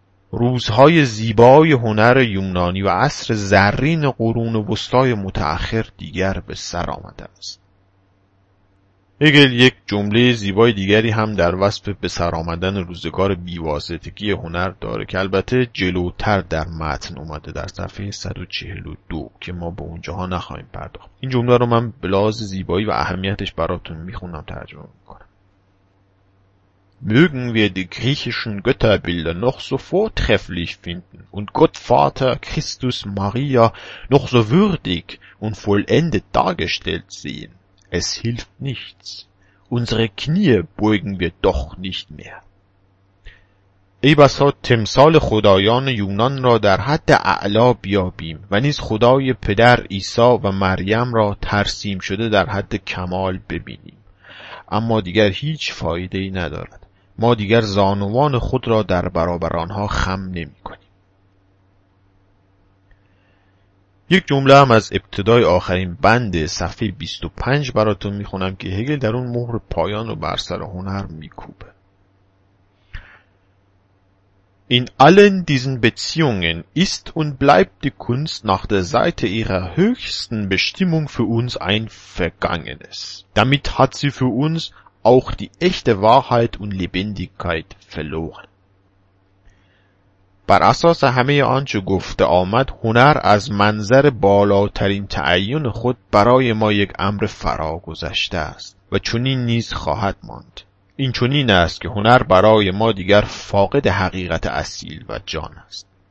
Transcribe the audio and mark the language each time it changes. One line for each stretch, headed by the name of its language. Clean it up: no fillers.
Persian: روزهای زیبای هنر یونانی و عصر زرین قرون وسطای متأخر دیگر به سر آمده است. هگل یک جمله زیبای دیگری هم در وصف به سر آمدن روزگار بی‌واسطگی هنر داره که البته جلوتر در متن اومده در صفحه 142 که ما به اونجاها نخواهیم پرداخت. این جمله رو من به لحاظ زیبایی و اهمیتش براتون میخونم ترجمه میکنم:
German: Mögen wir die griechischen Götterbilder noch so vortrefflich finden und Gott Vater Christus Maria noch so würdig und vollendet dargestellt sehen. Es hilft nichts. Unsere Knie beugen wir doch nicht mehr.
Persian: ای بسا تمثال خدایان یونان را در حد اعلا بیابیم و نیز خدای پدر عیسی و مریم را ترسیم شده در حد کمال ببینیم. اما دیگر هیچ فایده ای ندارد. ما دیگر زانوان خود را در برابر آنها خم نمی کنیم. یک جمله هم از ابتدای آخرین بند صفحه 25 براتون میخونم که هگل در اون مهر پایان رو بر سر هنر میکوبه.
German: In allen diesen Beziehungen ist und bleibt die Kunst nach der Seite ihrer höchsten Bestimmung für uns ein Vergangenes. Damit hat sie für uns auch die echte Wahrheit und Lebendigkeit verloren.
Persian: بر اساس همه آنچه گفته آمد، هنر از منظر بالاترین تعین خود برای ما یک امر فراگذشته است و چنین نیز خواهد ماند. این چنین است که هنر برای ما دیگر فاقد حقیقت اصیل و جان است.